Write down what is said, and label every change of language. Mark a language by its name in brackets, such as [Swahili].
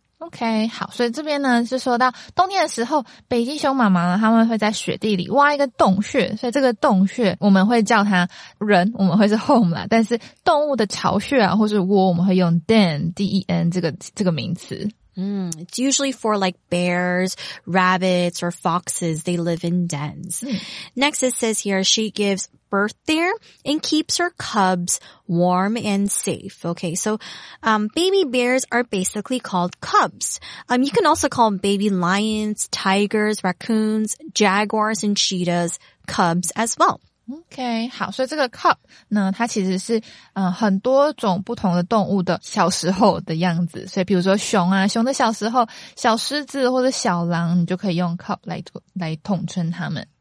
[Chinese] OK, 好，所以这边呢是说到冬天的时候，北极熊妈妈呢，他们会在雪地里挖一个洞穴，所以这个洞穴我们会叫它人，我们会是 home 啦，但是动物的巢穴啊，或是窝，我们会用 den, D-E-N 这个名词。 [English] It's usually for like bears, rabbits, or foxes. They live in dens. Next it says here, she gives birth there and keeps her cubs warm and safe. Okay, so baby bears are basically called cubs. You can also call baby lions, tigers, raccoons, jaguars, and cheetahs cubs as well. [Chinese] OK, 好，所以这个 cub 呢，它其实是很多种不同的动物的小时候的样子。所以比如说熊啊，熊的小时候，小狮子或者小狼，你就可以用 cub 来统称它们。